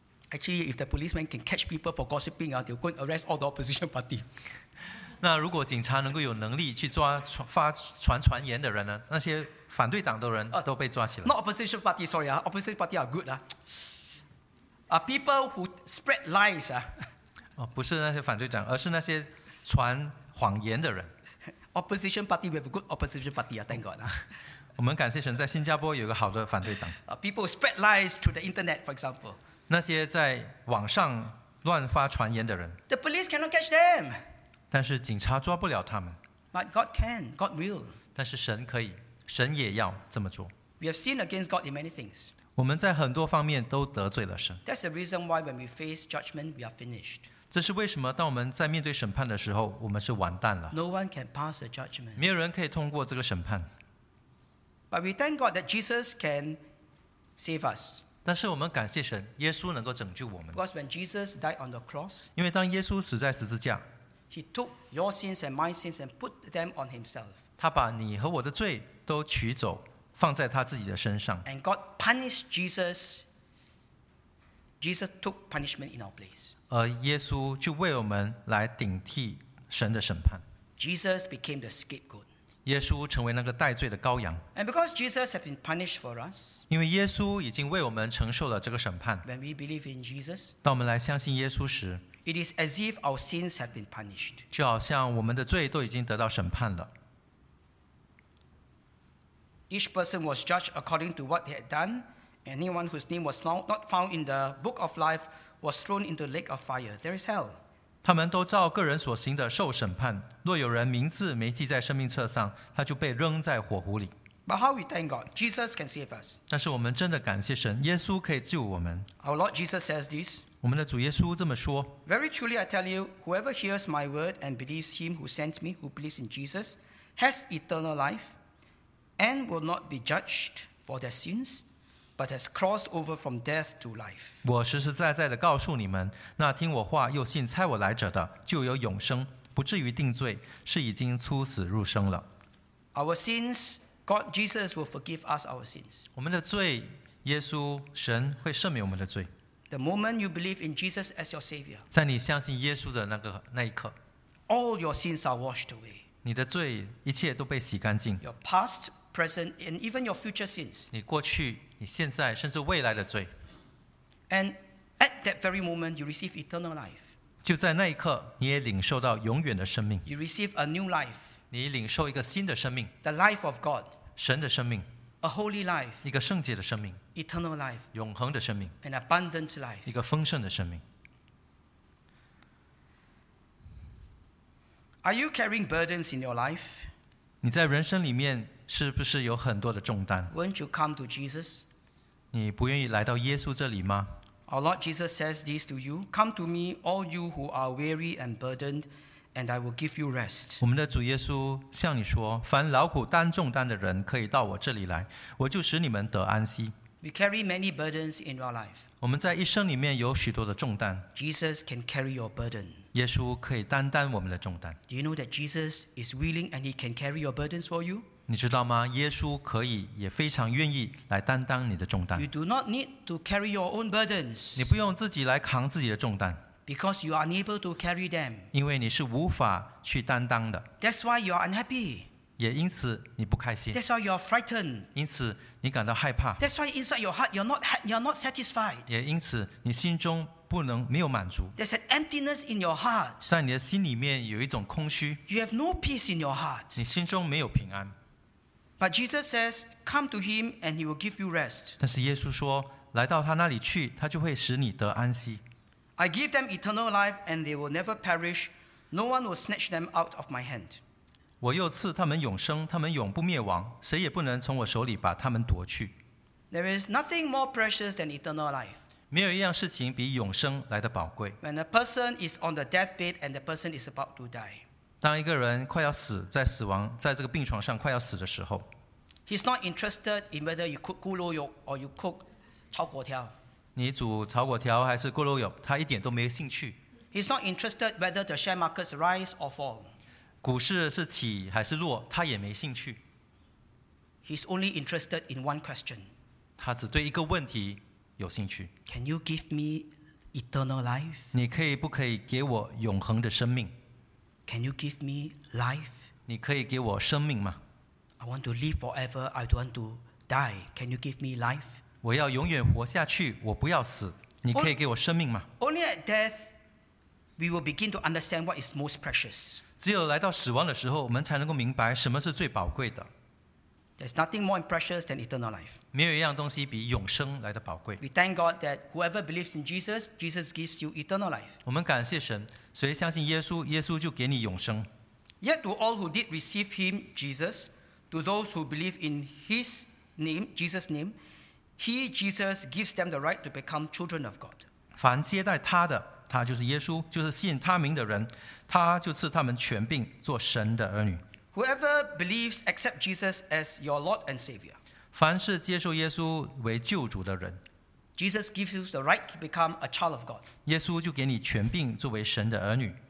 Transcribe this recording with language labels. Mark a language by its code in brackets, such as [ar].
[en] Actually, if the policeman can catch people for gossiping, they'll go and arrest all the opposition party. [zh] 那如果警察能够有能力去抓发传传言的人呢？那些反对党的人都被抓起来。 [en] Not opposition party, sorry, opposition party are good. People who spread lies. [zh] 不是那些反对党，而是那些传谎言的人。 [en] Opposition party, we have a good opposition party. Thank God. [zh] 我们感谢神，在新加坡有个好的反对党。 [en] People who spread lies to the internet, for example. [zh] 那些在网上乱发传言的人。 [en] The police cannot catch them. [zh] 但是警察抓不了他们。 [en] But God can, God will. [zh] 但是神可以，神也要这么做。 [en] We have sinned against God in many things. [zh] 我们在很多方面都得罪了神。 [en] That's the reason why when we face judgment, we are finished. [zh] 这是为什么？当我们在面对审判的时候，我们是完蛋了。 [en] No one can pass the judgment. [zh] 没有人可以通过这个审判。 [en] But we thank God that Jesus can save us. [zh] 但是我们感谢神，耶稣能够拯救我们。 [en] Because when Jesus died on the cross, [zh] 因为当耶稣死在十字架 [en] ，He took your sins and my sins and put them on Himself. [zh] 他把你和我的罪都取走。放在他自己的身上。 [en] And God punished Jesus. Jesus took punishment in our place. [zh] 而耶稣就为我们来顶替神的审判。 [en] Jesus became the scapegoat. [zh] 耶稣成为那个代罪的羔羊。 [en] And because Jesus has been punished for us, [zh] 因为耶稣已经为我们承受了这个审判。 [en] When we believe in Jesus, [zh] 当我们来相信耶稣时 [en] ，It is as if our sins have been punished. [zh] 就好像我们的罪都已经得到审判了。 [en] Each person was judged according to what they had done. Anyone whose name was not found in the book of life was thrown into the lake of fire. There is hell. [zh] 他们都照个人所行的受审判。若有人名字没记在生命册上，他就被扔在火湖里。 [en] But how we thank God, Jesus can save us. [zh] 但是我们真的感谢神，耶稣可以救我们。 [en] Our Lord Jesus says this. [zh] 我们的主耶稣这么说。 [en] Very truly I tell you, whoever hears my word and believes him who sent me, who believes in Jesus, has eternal life, and will not be judged for their sins, but has crossed over from death to life. [zh] 我实实在在的告诉你们，那听我话又信差我来者的，就有永生，不至于定罪，是已经出死入生了。 [en] Our sins. God, Jesus will forgive us our sins. [zh] 我们的罪，耶稣神会赦免我们的罪。 [en] The moment you believe in Jesus as your Savior, [zh] 在你相信耶稣的那一刻 [en] ，all your sins are washed away. [zh] 你的罪一切都被洗干净。 [en] Your past, present, and even your future sins. [zh] 你过去、你现在甚至未来的罪。 [en] And at that very moment, you receive eternal life. [zh] 就在那一刻，你也领受到永远的生命。 [en] You receive a new life. [zh] 你领受一个新的生命 [en] ，the life of God， [zh] 神的生命 [en] ，a holy life， [zh] 一个圣洁的生命 [en] ，eternal life， [zh] 永恒的生命 [en] ，an abundant life， [zh] 一个丰盛的生命。 [en] Are you carrying burdens in your life？ [zh] 你在人生里面是不是有很多的重担 [en] ？Won't you come to Jesus？ [zh] 你不愿意来到耶稣这里吗 [en] ？Our Lord Jesus says this to you: Come to me, all you who are weary and burdened. And I will give you rest. [zh] 我们的主耶稣向你说，凡劳苦担重担的人，可以到我这里来，我就使你们得安息。 [en] We carry many burdens in our life. [zh] 我们在一生里面有许多的重担。 [en] Jesus can carry your burden. [zh] 耶稣可以担当我们的重担。 [en] Do you know that Jesus is willing and he can carry your burdens for you? [zh] 你知道吗？耶稣可以也非常愿意来担当你的重担。 [en] You do not need to carry your own burdens. [zh] 你不用自己来扛自己的重担。 [en] Because you are unable to carry them. [zh] 因为你是无法去担当的。 [en] That's why you are unhappy. [zh] 也因此你不开心。 [en] That's why you are frightened. [zh] 因此你感到害怕。 [en] That's why inside your heart you're not satisfied. [zh] 也因此你心中不能没有满足。 [en] There's an emptiness in your heart. [zh] 在你的心里面有一种空虚。 [en] You have no peace in your heart. [zh] 你心中没有平安。 [en] But Jesus says, "Come to Him, and He will give you rest." [zh] 但是耶稣说，来到他那里去，他就会使你得安息。 [en] I give them eternal life, and they will never perish. No one will snatch them out of my hand. [zh] 我又赐他们永生，他们永不灭亡，谁也不能从我手里把他们夺去。 [en] There is nothing more precious than eternal life. [zh] 没有一样事情比永生来的宝贵。 [en] When a person is on the deathbed and the person is about to die, [zh] 当一个人快要死，在死亡，在这个病床上快要死的时候 [en] ，He's not interested in whether you cook 咕噜肉 or you cook 炒粿条。 [zh] 你煮炒粿条还是咕噜肉，他一点都没有兴趣。 [en] He's not interested whether the share markets rise or fall. [zh] 股市是起还是落，他也没兴趣。 [en] He's only interested in one question. [zh] 他只对一个问题有兴趣。 [en] Can you give me eternal life? [zh] 你可以不可以给我永恒的生命 [en] ？Can you give me life? [zh] 你可以给我生命吗 [en] ？I want to live forever. I don't want to die. Can you give me life? [zh] 我要永远活下去，我不要死。你可以给我生命吗 [en] ？Only at death, we will begin to understand what is most precious. [zh] 只有来到死亡的时候，我们才能够明白什么是最宝贵的。 [en] There's nothing more precious than eternal life. [zh] 没有一样东西比永生来的宝贵。 [en] We thank God that whoever believes in Jesus, Jesus gives you eternal life. [zh] 我们感谢神，谁相信耶稣，耶稣就给你永生。 [en] Yet to all who did receive Him, Jesus, to those who believe in His name, Jesus' name. He, Jesus, gives them the right to become children of God. [zh] 凡接待他的，他就是耶稣，就是信他名的人，他就赐他们权柄做神的儿女。 [en] Whoever believes, accept Jesus as your Lord and Savior. [zh] 凡是接受耶稣为救主的人 [en] ，Jesus gives you the right to become a child of God. [zh] 耶稣就给你权柄作为神的儿女。